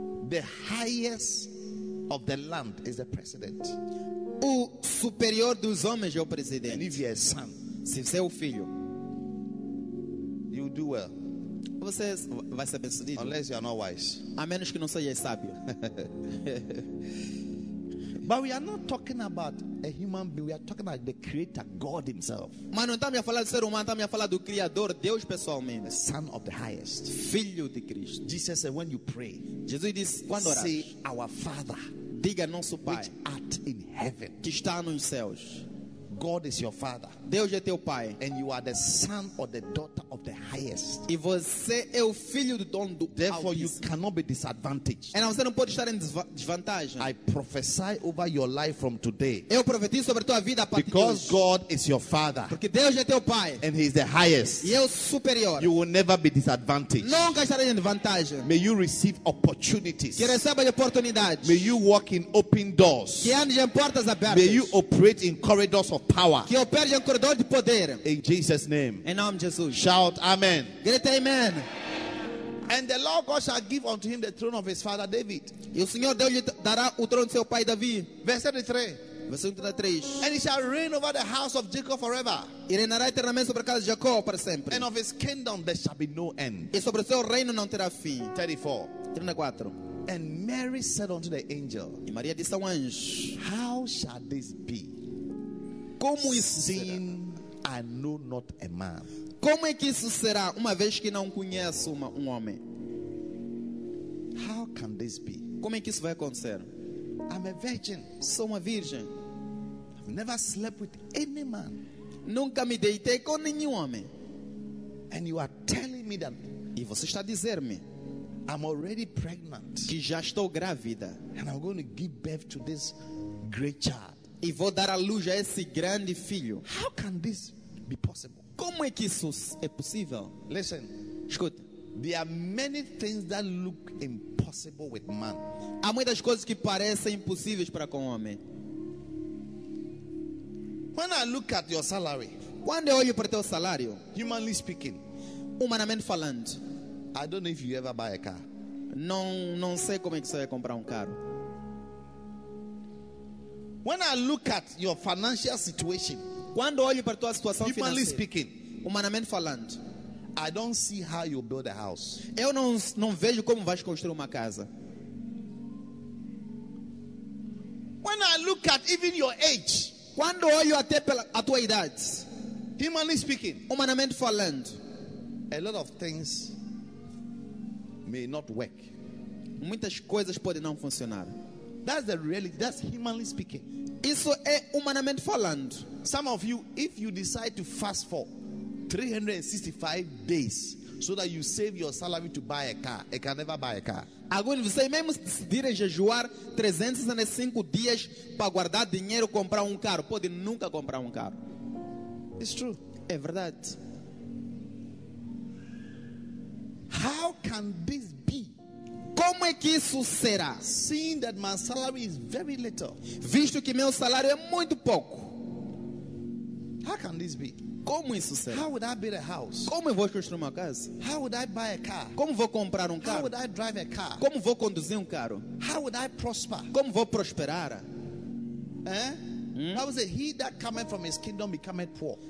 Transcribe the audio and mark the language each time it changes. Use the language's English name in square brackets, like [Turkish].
[English] The highest of the land is the president. [Portuguese] O superior dos homens é o presidente. [English] And if you are a son, [Portuguese] se você é o filho, [English] you do well. [Portuguese] Você vai ser bem-sucedido. [English] Unless you are not wise. [Portuguese] A menos que não seja sábio. [English] But we are not talking about a human being. We are talking about the Creator, God Himself. [Portuguese] Mas não estamos a falar do ser humano. Estamos a falar do Criador, Deus pessoalmente. [English] The Son of the Highest. [Portuguese] Filho de Cristo. [English] Jesus said, "When you pray." [Portuguese] Jesus disse, quando orar. [English] Say, "Our Father." [Portuguese] Diga nosso pai. [English] Which art in heaven. [Portuguese] Que está nos céus. [English] God is your father. [Portuguese] Deus é teu pai. [English] And you are the son or the daughter of the highest. [Portuguese] E você é o filho do dono do [English] Therefore, [Portuguese] Altíssimo. [English] You cannot be disadvantaged. [Portuguese] Então você não pode estar em desvantagem. [English] I prophesy over your life from today. [Portuguese] Eu profetizo sobre tua vida a partir [English] because [Portuguese] de hoje. [English] Because God is your father. [Portuguese] Porque Deus é teu pai. [English] And He is the highest. [Portuguese] E é o superior. [English] You will never be disadvantaged. [Portuguese] Nunca estarás em desvantagem. [English] May you receive opportunities. [Portuguese] Que receba oportunidades. [English] May you walk in open doors. [Portuguese] Que ande em portas abertas. [English] May you operate in corridors of power. [Portuguese] Que corredor de poder. [English] In Jesus' name. [Portuguese] Em nome de Jesus. [English] Shout amen. [Portuguese] Grita amen. [English] And the Lord God shall give unto him the throne of his father David. [Portuguese] E o Senhor Deus lhe dará o trono de seu pai Davi. [English] Verse 33. And he shall reign over the house of Jacob forever. [Portuguese] E reinará eternamente sobre a casa de Jacó para sempre. [English] And of his kingdom there shall be no end. [Portuguese] E sobre seu reino não terá fim. [English] 34. And Mary said unto the angel. [Portuguese] E Maria disse ao anjo. [English] How shall this be? [Portuguese] Como isso Sim, será? [English] I know not a man. [Portuguese] Como é que isso será, uma vez que não conheço um homem? [English] How can this be? [Portuguese] Como é que isso vai acontecer? [English] I'm a virgin. [Portuguese] Sou uma virgem. [English] I've never slept with any man. [Portuguese] Nunca me deitei com nenhum homem. [English] And you are telling me that. [Portuguese] E você está a dizer-me. [English] I'm already pregnant. [Portuguese] Que já estou grávida. [English] And I'm going to give birth to this great child. [Portuguese] E vou dar à luz a esse grande filho. [English] How can this be possible? [Portuguese] Como é que isso é possível? [English] Listen, [Portuguese] escute. [English] There are many things that look impossible with man. [Portuguese] Há muitas coisas que parecem impossíveis para com o homem. [English] When I look at your salary, [Portuguese] quando eu olho para teu salário, [English] humanly speaking, [Portuguese] humanamente falando, [English] I don't know if you ever buy a car. [Portuguese] Não sei como é que você vai comprar carro. [English] When I look at your financial situation, [Portuguese] quando olho para tua situação [English] humanly [Portuguese] financeira, [English] speaking, [Portuguese] humanamente falando, [English] I don't see how you build a house. [Portuguese] Eu não vejo como vais construir uma casa. [English] When I look at even your age, [Portuguese] quando olho até pela tua idade, [English] humanly speaking, [Portuguese] humanamente falando, [English] a lot of things may not work. [Portuguese] Muitas coisas podem não funcionar. [English] That's the reality. That's humanly speaking. [Portuguese] Isso é humanamente falando. [English] Some of you, if you decide to fast for 365 days so that you save your salary to buy a car, it can never buy a car. [Portuguese] Alguns de vocês mesmo decidirem jejuar 365 dias para guardar dinheiro e comprar carro, pode nunca comprar carro. [English] It's true. [Portuguese] É verdade. [English] How can this be? [Portuguese] Como é que isso será? [English] Seeing that my salary is very little. [Portuguese] Visto que meu salário é muito pouco. [English] How can this be? [Portuguese] Como isso será? [English] How would I build a house? [Portuguese] Como eu vou construir uma casa? [English] How would I buy a car? [Portuguese] Como vou comprar carro? [English] How would I drive a car? [Portuguese] Como vou conduzir carro? [English] How would I prosper? [Portuguese] Como vou prosperar? [English] How is it? He that cometh from his kingdom becometh poor.